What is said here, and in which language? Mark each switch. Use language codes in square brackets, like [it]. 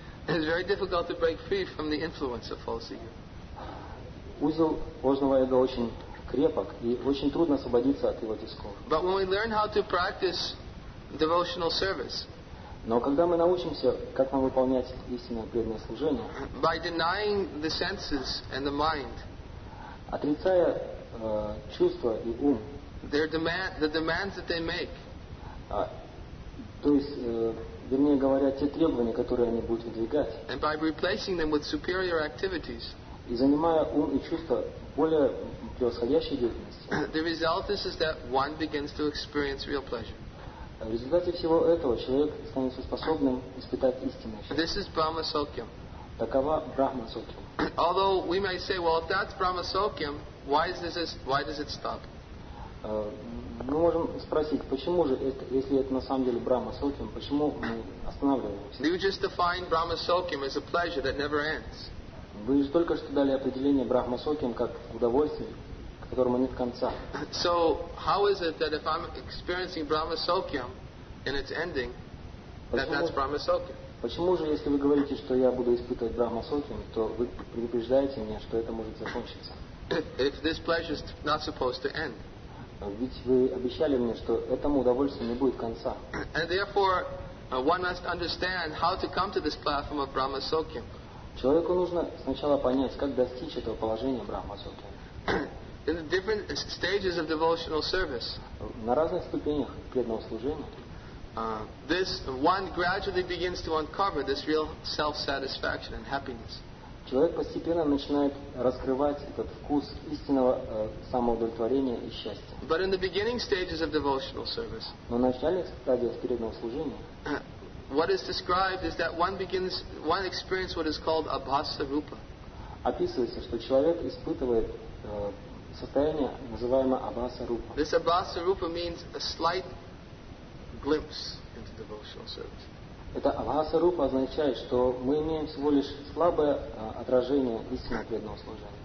[en] It's very difficult to break free from the influence of false ego. [ru] Узел ложного эго очень крепок, и очень трудно освободиться от его тисков. [en] But when we learn how to practice devotional service, [ru] но когда мы научимся, как нам выполнять истинное преданное служение, [en] by denying the senses and the mind, [ru] отрицая чувства и ум, [en] their demand, the demands that they make, [ru] то есть, вернее говоря, те требования, которые они будут выдвигать, [en] and by replacing them with superior activities, [ru] и занимая ум и чувства более превосходящей деятельностью, [en] the result is that one begins to experience real pleasure. [ru] В результате всего этого человек становится способным испытать истинное счастье. [en] This is Brahma Sokhyam. [ru] Такова Брахма Сокхьям. [en] Although we may say, well, if that's Brahma Sokhyam, why does it stop? [ru] Мы можем спросить, почему же, это, если это на самом деле Брахма Сокхьям, почему мы останавливаемся? [en] You just define Brahma Sokhyam as a pleasure that never ends. [ru] Вы же только что дали определение Брахма Сокхьям как удовольствие, которому нет конца. [en] So how is it that if I'm experiencing Brahma Sokhyam in its ending, that's Brahma Sokhyam? [ru] Почему же, если вы говорите, что я буду испытывать Брахма Сокхьям, то вы предупреждаете меня, что это может закончиться? [en] If this pleasure is not supposed to end. [ru] Ведь вы обещали мне, что этому удовольствию не будет конца. [en] And therefore, one must understand how to come to this platform of Brahma Sokhyam. [ru] Человеку нужно сначала понять, как достичь этого положения Брахма Сокхьям. [en] In the different stages of devotional service, [ru] на разных ступенях преданного служения, [en] this one gradually begins to uncover this real self-satisfaction and happiness. [ru] Человек постепенно начинает раскрывать этот вкус истинного самоудовлетворения и счастья. [en] But in the beginning stages of devotional service, [ru] но в начальных стадиях преданного служения, [en] what is described is that one experiences what is called abhasa rupa. [ru] Описывается, что человек испытывает состояние, называемое абхаса рупа. [en] This абхаса рупа means a slight glimpse into devotional service. [ru] Это абхаса рупа означает, что мы имеем всего лишь слабое отражение истинного преданного служения.